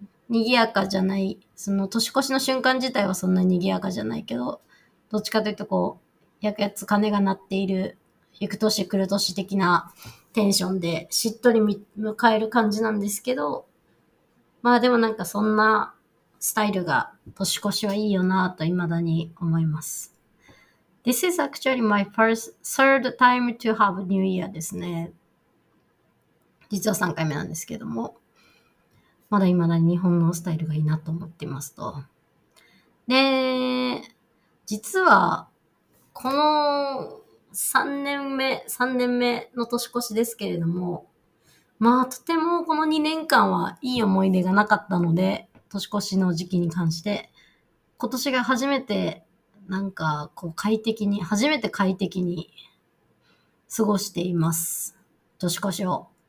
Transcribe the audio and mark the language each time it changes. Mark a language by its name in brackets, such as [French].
[Japanese] 賑やかじゃない、その年越しの瞬間自体はそんなに賑やかじゃないけど、どっちかというとこう、やつ鐘が鳴っている、行く年来る年的なテンションでしっとり迎える感じなんですけど、でもなんかそんなスタイルが年越しはいいよなぁと未だに思います。 [English] This is actually my first third time to have New Year [Japanese] ですね。実は3回目なんですけども。まだ未だに日本のスタイルがいいなと思っていますと。で、実は、この 3年目の年越しですけれども、まあとてもこの2年間はいい思い出がなかったので、年越しの時期に関して、今年が初めてなんかこう快適に、初めて快適に過ごしています、年越しを。